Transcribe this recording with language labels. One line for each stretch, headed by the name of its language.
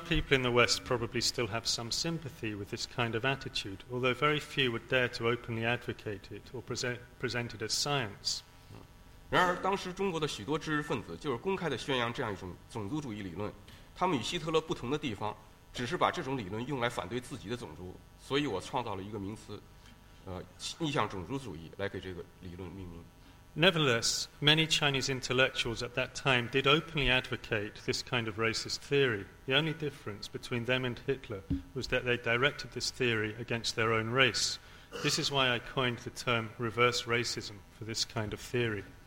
English: people in the West probably still have some sympathy with this kind of attitude, although very few would dare to openly advocate it or present it as science.
Chinese: 然而，当时中国的许多知识分子就是公开的宣扬这样一种种族主义理论，他们与希特勒不同的地方，只是把这种理论用来反对自己的种族，所以我创造了一个名词。
English: Nevertheless, many Chinese intellectuals at that time did openly advocate this kind of racist theory. The only difference between them and Hitler was that they directed this theory against their own race. This is why I coined the term reverse racism for this kind of theory.